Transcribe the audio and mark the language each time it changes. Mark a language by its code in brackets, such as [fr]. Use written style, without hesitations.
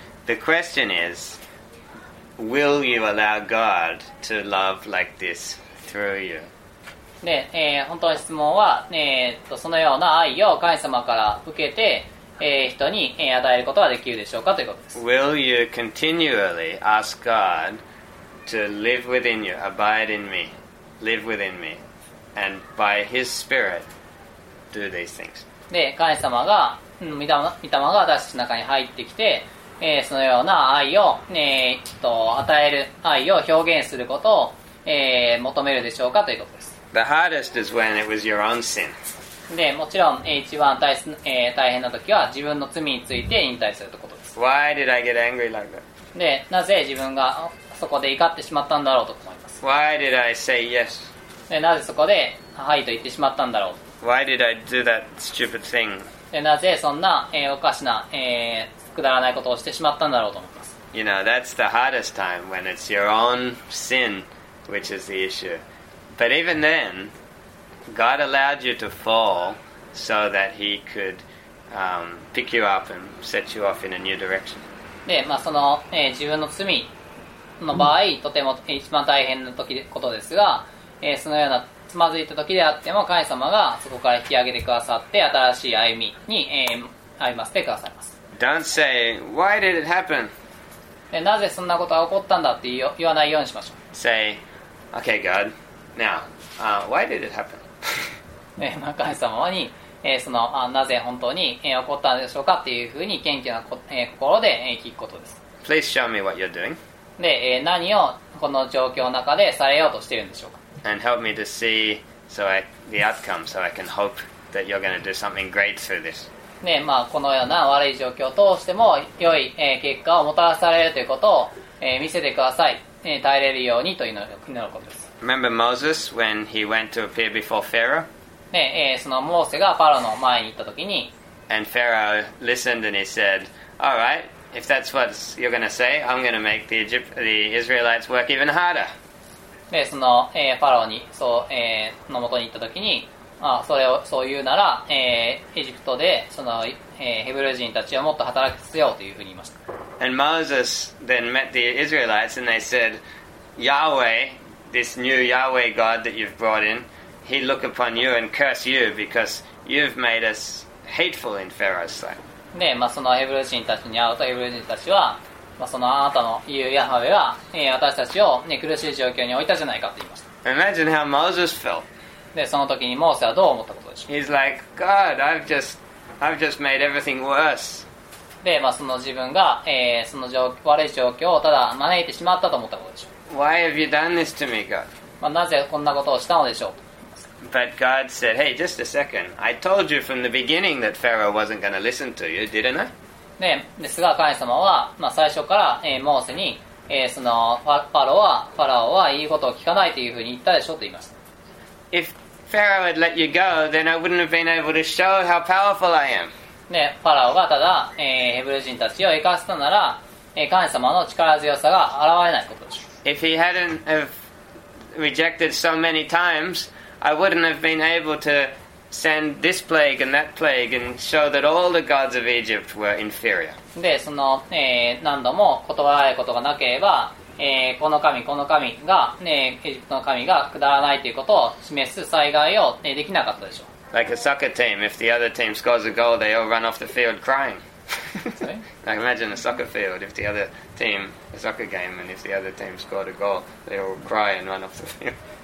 [en] The question is, will you allow God to love like this through you? [ja] で、本当の質問は、そのような愛を神様から受けて、人に与えることができるでしょうかということです。 [en] Will you continually ask GodTo live within you, abide in me, live within me, and by His Spirit do these things. [ja] で、神様が、御霊が私たちの中に入ってきて、そのような愛を、与える愛を表現することを、求めるでしょうかということです。 [en] The hardest is when it was your own sin. [ja] で、もちろん一番 大変な時は自分の罪について引退するということです。 [en] Why did I get angry like that? [ja] で、なぜ自分がそこで怒ってしまったんだろうと思います。 [en] Why did I say yes? [ja] でなぜそこではいと言ってしまったんだろう。 [en] Why did I do that stupid thing? [ja] でなぜそんな、おかしな、くだらないことをしてしまったんだろうと思います。 [en] You know, that's the hardest time when it's your own sin which is the issue. But even then, God allowed you to fall so that He could, pick you up and set you off in a new direction. [ja] で、まあその、自分の罪の場合とても一番大変な時ことですが、そのようなつまずいた時であっても神様がそこから引き上げてくださって新しい歩みに、歩ませてくださいます。 [en] Don't say, why did it happen? [ja] でなぜそんなことが起こったんだって言わないようにしましょう。 [en] Say, okay God, now, why did it happen? [ja] で、まあ、神様に、その、なぜ本当に、起こったんでしょうかっていうふうに謙虚な、心で、聞くことです。 [en] Please show me what you're doing. [ja] で、何をこの状況の中でされようとしているんでしょうか。 [en] And help me to see so I, the outcome so I can hope that you're going to do something great through this. [ja] で、まあ、このような悪い状況を通しても良い、結果をもたらされるということを、見せてください、耐えれるようにというのが祈ることです。 [en] Remember Moses when he went to appear before Pharaoh? [ja] で、そのモーセがファラオの前に行った時に [en] And Pharaoh listened and he said, All rightIf that's what you're going to say, I'm going to make the Israelites work even harder. [ja] で、その、ファラオに、そう、の元に行った時に、あ、それを、そう言うなら、エジプトで、その、ヘブル人たちをもっと働きつけようというふうに言いました。 [en] And Moses then met the Israelites and they said, Yahweh, this new Yahweh God that you've brought in, he'd look upon you and curse you because you've made us hateful in Pharaoh's sight. [ja] で、まあ、そのヘブル人たちに会うとヘブル人たちは、まあ、そのあなたの言うヤハウェは、私たちを、ね、苦しい状況に置いたじゃないかと言いました。 [en] Imagine how Moses felt. [ja] で、その時にモーセはどう思ったことでしょう。 [en] He's like, God, I've just made everything worse. [ja] で、まあ、その自分が、その悪い状況をただ招いてしまったと思ったことでしょう。 [en] Why have you done this to me, God? [ja] まあ、なぜこんなことをしたのでしょうと。 [en] But God said, "Hey, just a second. I told you from the beginning that Pharaoh wasn't going to listen to you, didn't I?" [ja] ね、ですが神様は、まあ、最初から、モーセに、そのファラオは言うことを聞かないというふうに言ったでしょうと言いました。 [en] If Pharaoh had let you go, then I wouldn't have been able to show how powerful I am. [ja] ね、ファラオがただ、ヘブル人たちを生かせたなら、神様の力強さが現れないことでしょう。 [en] If he hadn't have rejected so many times. I wouldn't have been able to send this plague and that plague and show that all the gods of Egypt were inferior. [ja] で、その、何度も断られることがなければ、この神が、エジプトの神がくだらないということを示す災害を、できなかったでしょう。 [en] Like a soccer team, if the other team scores a goal, they all run off the field crying. Like imagine a soccer field, if the other team, a soccer game, and if the other team scored a goal, they all cry and run off the field.